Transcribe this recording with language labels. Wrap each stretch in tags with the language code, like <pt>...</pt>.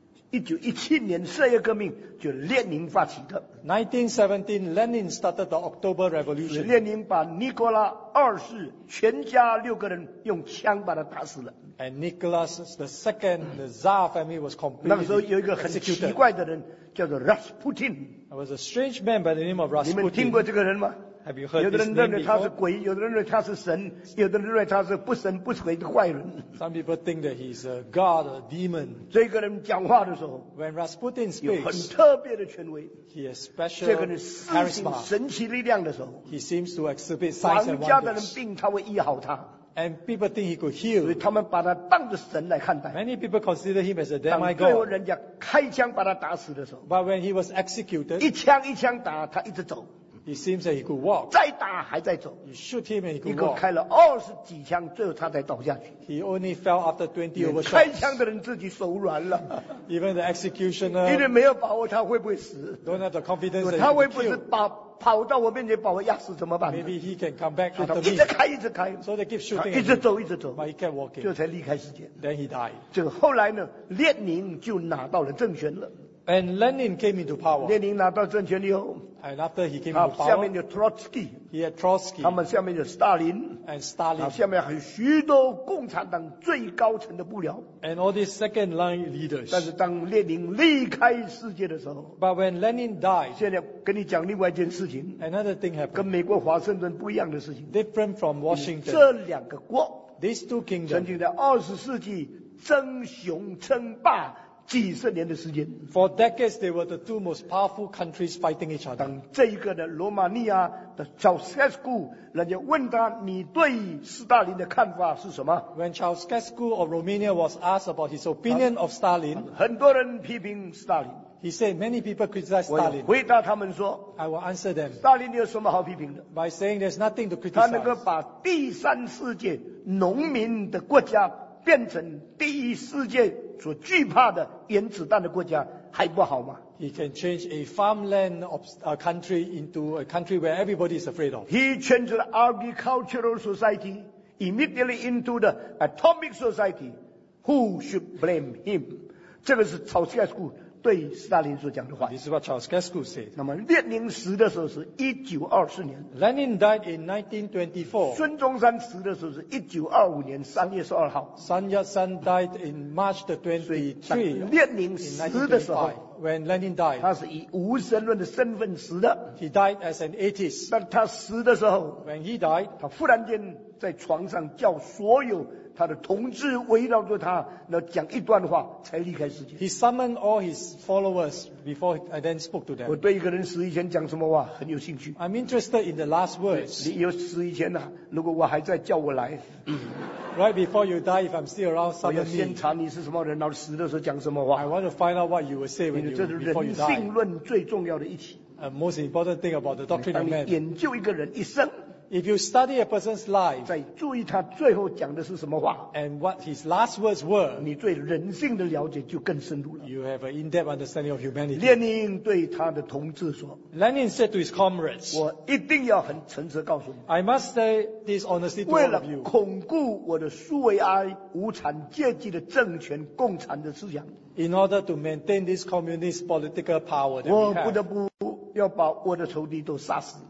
<zh>1917年十月革命就列宁发起的。</zh> <en>1917, Lenin started the October Revolution.</en> <zh>列宁把尼古拉二世全家六个人用枪把他打死了。</zh> <en>And Nicholas the second, the Tsar family was completely.</en> <zh>那个时候有一个很奇怪的人叫做 Rasputin.</zh> <en>There was a strange man by the name of Rasputin.</en> <zh>你们听过这个人吗？</zh> <en>Have you heard</en> <zh>有的人认为他是鬼，有的人认为他是神，有的人认为他是不神不鬼的坏人。</zh> <en>Some people think that he's a god, a demon.</en> <zh>这个人讲话的时候</zh> <en>，When Rasputin speaks,</en> <zh>有很特别的权威。</zh> <en>He has special</en> <zh>这个人施行神奇力量的时候</zh> <en>，He seems to exhibit signs and wonders.</en> <zh>皇家的人病，他会医好他。</zh> <en>And people think he could heal.</en> <zh>所以他们把他当着神来看待。</zh> <en>Many people consider him as a demigod.</en> <zh>当最后人家开枪把他打死的时候。</zh> <en>But when he was executed.</en> <zh>一枪一枪打他一直走。</zh> <en>He seems that he could walk.</en> <zh>再打还在走。</zh> <en>You shoot him and he could walk.</en> <zh>一个开了二十几枪最后他才倒下去。</zh> <en>He only fell after 20 over shots.</en> <zh>开枪的人自己手软了。</zh> <en>Even the executioner.</en> <zh>因为没有把握他会不会死。</zh> <en>Don't have the confidence that he could kill.</en> <zh>他会不会把跑到我面前把我压死怎么办</zh> <en>？Maybe he can come back after me.</en> <zh>一直开，一直开。</zh> <en>So they keep shooting.</en> <zh>一直走，一直走。</zh> <en>But he kept walking.</en> <zh>就才离开世界。</zh> <en>Then he died.</en> <zh>就后来呢，列宁就拿到了政权了。</zh> <en>And Lenin came into power.</en> <zh>列宁拿到政权以后</zh> <en>，And after he came into power,</en> <zh>下面有 Trotsky.</zh> <en>He had Trotsky.</en> <zh>他们下面有 Stalin.</zh> <en>And Stalin.</en> <zh>下面还有许多共产党最高层的幕僚。</zh> <en>And all these second line leaders.</en> <zh>但是当列宁离开世界的时候</zh> <en>，But when Lenin died.</en> <zh>现在跟你讲另外一件事情</zh> <en>，Another thing happened.</en> <zh>跟美国华盛顿不一样的事情</zh> <en>，Different from Washington.</en> <zh>这两个国</zh> <en>，These two kingdoms.</en> <zh>曾经在二十世纪争雄称霸。几十年的时间</zh> <en>，For decades they were the two most powerful countries fighting each other.</en> <zh>当这一个的罗马尼亚的Ceaușescu，人家问他，你对斯大林的看法是什么</zh> <en>？When Ceaușescu of Romania was asked about his opinion of Stalin，</en> <zh>很多人批评斯大林。</zh> <en>He said many people criticize Stalin.</en> <zh>回答他们说</zh> <en>，I will answer them.</en> <zh>斯大林有什么好批评的</zh> <en>？By saying there's nothing to criticize.</en> <zh>他能够把第三世界农民的国家变成第一世界。所惧怕的原子弹的国家还不好吗</zh> <en>？He can change a farmland of a country into a country where everybody is afraid of. He changed the agricultural society immediately into the atomic society. Who should blame him?</en> <zh>这个是Ceaușescu对斯大林所讲的话。</zh> <en>This is what Ceaușescu said.</en> <zh>那么列宁死的时候是1924年。</zh> <en>Lenin died in 1924.</en> <zh>孙中山死的时候是1925年3月12号。</zh> <en>Sun Yat-sen died in March the 23.</en> <zh>列宁死的时候</zh> <en>，When Lenin died，</en> <zh>他是以无神论的身份死的。</zh> <en>He died as an atheist.</en> <zh>但他死的时候</zh> <en>，When he died，</en> <zh>他忽然间在床上叫所有。他的同志围绕着他，那讲一段话才离开世界。</zh> <en>He summoned all his followers before and then spoke to them.</en> <zh>我对一个人死以前讲什么话很有兴趣。</zh> <en>I'm interested in the last words.</en> <zh>你有死以前呢、啊？如果我还在，叫我来。</zh> <en>Right before you die, if I'm still around, summon me.</en> <zh>我要先查你是什么人，然后死的时候讲什么话。</zh> <en>I want to find out what you will say when you before you die.</en> <zh>这是人性论最重要的一题。</zh> <en>A most important thing about the doctrine of man.</en> <zh>当你研究一个人一生。</zh> <en>If you study a person's life,</en> <zh>再注意他最后讲的是什么话</zh> <en>，and what his last words were,</en> <zh>你对人性的了解就更深入了。</zh> <en>You have an in-depth understanding of humanity.</en> <zh>列宁对他的同志说</zh> <en>，Lenin said to his comrades,</en> <zh>我一定要很诚实告诉你</zh> <en>，I must say this honestly to you.</en> <zh>为了巩固我的苏维埃无产阶级的政权、共产的思想</zh> <en>，in order to maintain this communist political power that we have,</en> <zh>我不得不要把我的仇敌都杀死。</zh>